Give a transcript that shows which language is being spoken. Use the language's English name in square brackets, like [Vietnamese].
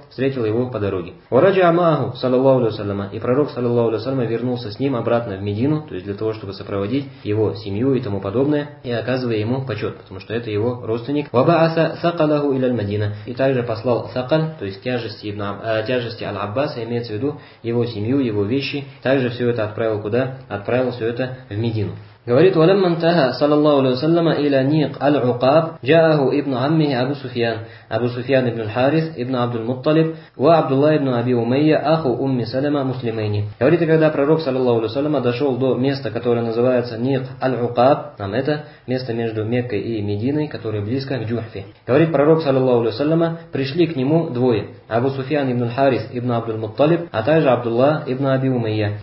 [Russian] Встретил его по дороге. [Arabic] Ураджа амаху, [Russian] саллиллаху алейхи ва саллям, и пророк, саллиллаху алейхи ва саллям, вернулся с ним обратно в Медину, то есть для того, чтобы сопроводить его семью и тому подобное, и оказывая ему почет, потому что это его родственник. [Arabic] Ваба'аса сакалаху иляль Мадина, [Russian] и также послал сакал, то есть тяжести Аль-Аббаса, имеется в виду его семью, его вещи, также все это отправил куда? Отправил все это в Медину. Говорит, [Arabic] ولما انتهى صلى الله عليه وسلم الى نيق العقاب جاءه ابن عمه ابو سفيان ابو سفيان بن الحارث ابن عبد المطلب وعبد الله بن ابي اميه اخو ام سلمة مسلمين. [Russian] Говорит, когда пророк, саллаллаху алейхи ва саллям, дошел до места, которое называется Ниг аль-Укаб, там это место между Меккой и Мединой, которое близко к Джухфе. Говорит, пророк, саллаллаху алейхи ва саллям, пришли к нему двое: Абу Суфьян ибн аль-Харис ибн Абдул Мутталиб, а также Абдуллах ибн Аби Умайя.